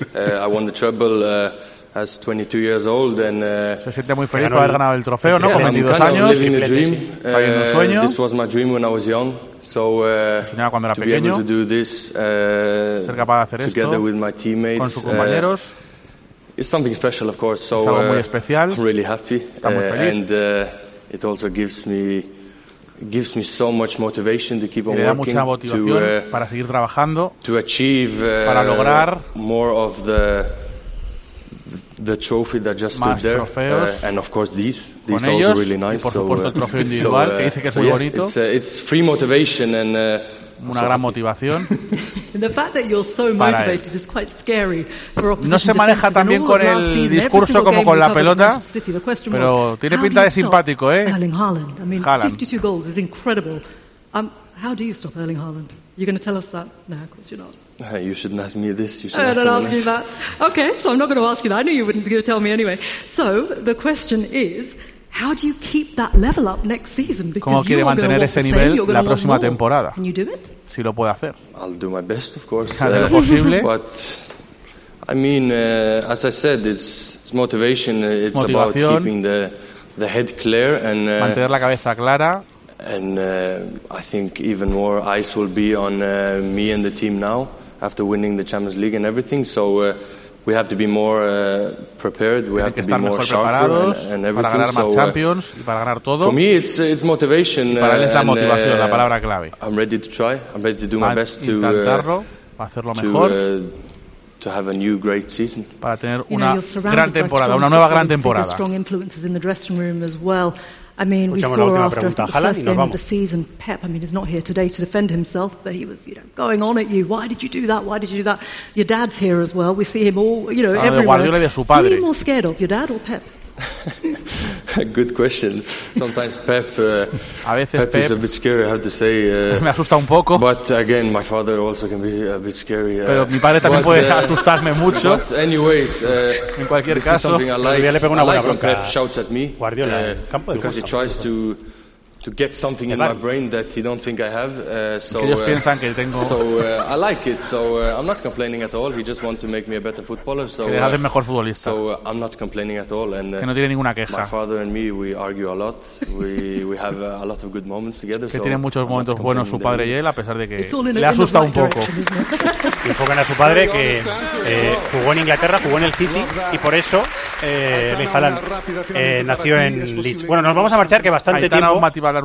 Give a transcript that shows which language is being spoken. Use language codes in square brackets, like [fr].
[en] I won the treble as 22 years old and [es] se siente muy feliz por haber ganado el trofeo, ¿no? Con 22 años. [en] Living a dream. This was my dream when I was young. So [es] soñaba cuando era [en] to [es] pequeño. [en] Be able to do this, [es] ser capaz de hacer [en] together [es] esto [en] with my teammates, [es] con sus compañeros. [en] It's something special, of course. So [es] es algo muy especial. [en] I'm really happy. [es] Está muy feliz. [en] And it also gives me so much motivation to keep on working. [es] Me da mucha motivación para seguir trabajando. [en] To achieve [es] para lograr [en] more of the trophy that just stood there. [es] Trofeos. [en] And of course these are also really nice. [es] Y por supuesto el trofeo individual que dice que es muy bonito. [en] It's free motivation and [es] una gran motivación. [en] The fact that you're so motivated is quite scary. [es] No se maneja tan bien con el discurso como con la pelota, pero tiene pinta de simpático, ¿eh? [en] Haaland. I mean, 52 goals is incredible. How do you stop Erling Haaland? You're going to tell us that? No, of course you're not. You shouldn't ask me this. You should ask me that. Okay, so I'm not going to ask you that. I knew you wouldn't going to tell me anyway. So the question is, how do you keep that level up next season? [es] Because ¿cómo quiere mantener ese nivel la próxima temporada? [en] Can you do it? [es] Si lo puede hacer. [en] I'll do my best, of course. [es] Haré lo posible. [en] But I mean, as I said, it's motivation. It's about keeping the head clear and [es] mantener la cabeza clara. [en] And I think even more eyes will be on me and the team now after winning the Champions League and everything. So we have to be more prepared. We have to be more sharper and everything. [es] Para ganar más [en] so, [es] Champions y para ganar todo. [en] For me, it's motivation. [es] Y para él es la motivación, la palabra clave. [en] I'm ready to try. I'm ready to do my best to [es] intentarlo, hacerlo mejor. [en] To have a new great season. [es] Para tener una gran temporada, una nueva gran temporada. [en] Strong influences in the dressing room as well. I mean, we saw after the first game of the season, Pep, I mean, he's not here today to defend himself, but he was, you know, going on at you. Why did you do that? Why did you do that? Your dad's here as well. We see him all, you know, everywhere. [es] De su padre. [en] Who are you more scared of, your dad or Pep? Good question. Sometimes Pep, [es] a veces Pep [en] is a bit scary, I have to say. [es] Me asusta un poco. [en] But again, my father also can be a bit scary. [es] Pero mi padre también puede asustarme mucho. [en] But anyways, [es] en cualquier caso, [en] like, [es] le pego una buena [en] like [es] bronca. [en] Pep shouts at me, [es] Guardiola, [en] because he tries to get something in my brain that he don't think I have. So [es] ellos piensan que tengo. [en] So I like it. So I'm not complaining at all. He just wants to make me a better footballer. So [es] que dejarle mejor futbolista. [en] So I'm not complaining at all. And [es] que no tiene ninguna queja. [en] My father and me, we argue a lot. We have a lot of good moments together. [es] Que [en] so [es] tiene muchos momentos buenos su padre y él, a pesar de que le asusta un poco. Y enfocan a su padre que jugó en Inglaterra, jugó en el City y por eso Erling Haaland nació en Leeds. Bueno, nos vamos a marchar que bastante Aitana, tiempo.